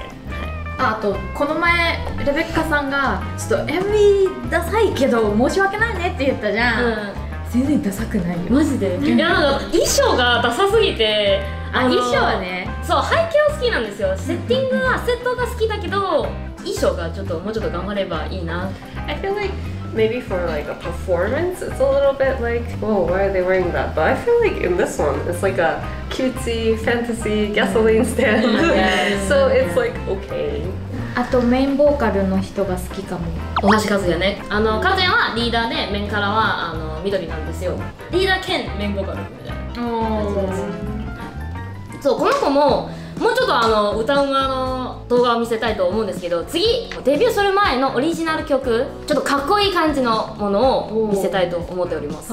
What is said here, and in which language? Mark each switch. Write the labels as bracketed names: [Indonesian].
[Japanese] はい、あと、この前、レベッカさんが、ちょっと MV ダサいけど、申し訳ないねって言ったじゃん。全然ダサくないよ。マジで？いや、なんか衣装がダサすぎて、衣装はね。そう、背景は好きなんですよ。セッティングは、セットが好きだけど、衣装がちょっと、もうちょっと頑張ればいいな。 [English] I feel like maybe for like a performance, it's a little bit like, whoa, why are they wearing that? But I feel like in this one, it's like a cutesy fantasy gasoline stand. Yeah, yeah, yeah. So it's like okay. [Japanese] あとメインボーカルの人が好きかも。大橋和也ね。和也はリーダーで、メンカラは緑なんですよ。リーダー兼メインボーカルみたいな。そう、この子も。もうちょっと歌う側の動画を見せたいと思うんですけど、次デビューする前のオリジナル曲、ちょっとかっこいい感じのものを見せたいと思っております。